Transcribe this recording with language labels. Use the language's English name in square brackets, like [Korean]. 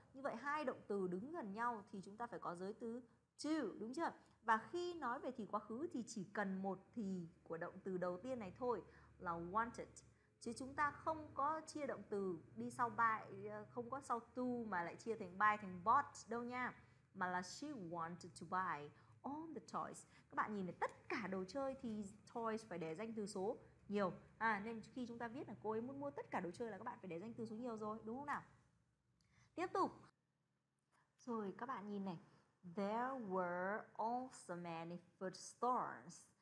[Vietnamese] Như vậy hai động từ đứng gần nhau thì chúng ta phải có giới từ to, đúng chưa? Và khi nói về thì quá khứ thì chỉ cần một thì của động từ đầu tiên này thôi là wanted. Chứ chúng ta không có chia động từ đi sau buy, không có sau to mà lại chia thành buy thành bought đâu nha. Mà là [English] she wanted to buy all the toys. [Vietnamese] Các bạn nhìn này, tất cả đồ chơi thì toys phải để danh từ số nhiều. Nên khi chúng ta viết là cô ấy muốn mua tất cả đồ chơi là các bạn phải để danh từ số nhiều rồi, đúng không nào? Tiếp tục. Rồi các bạn nhìn này, [English] there were also many food stores.